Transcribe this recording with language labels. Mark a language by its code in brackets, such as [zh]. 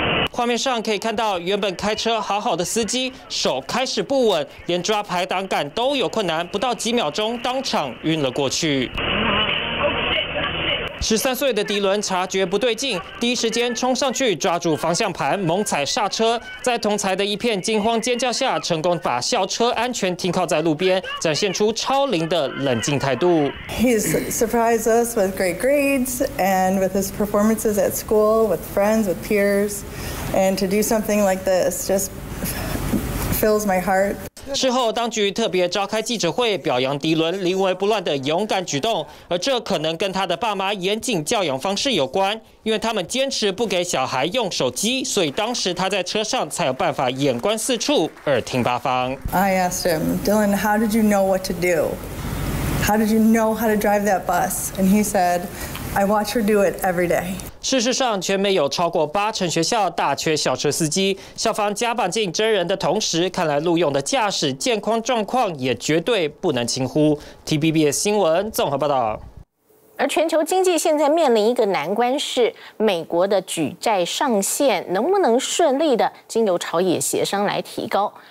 [zh] 画面上可以看到，原本开车好好的司机手开始不稳，连抓排挡杆都有困难，不到几秒钟当场晕了过去。 13岁的迪伦察觉不对劲，第一时间冲上去抓住方向盘猛踩刹车，在同侪的一片惊慌尖叫下，成功把校车安全停靠在路边，展现出超龄的冷静态度。 [en] He's surprised us with great grades and with his performances at school, with friends, with peers, and to do something like this just fills my heart. [zh] 事后，当局特别召开记者会，表扬迪伦临危不乱的勇敢举动，而这可能跟他的爸妈严谨教养方式有关，因为他们坚持不给小孩用手机，所以当时他在车上才有办法眼观四处，耳听八方。 [en] I asked him, Dylan, how did you know what to do? How did you know how to drive that bus? And he said, I watch her do it every day. [zh] 事实上，全美有超过80%学校大缺校车司机，校方加把劲真人的同时，看来录用的驾驶健康状况也绝对不能轻忽。 TBBS 新闻综合报道。而全球经济现在面临一个难关，是美国的举债上限能不能顺利的经由朝野协商来提高。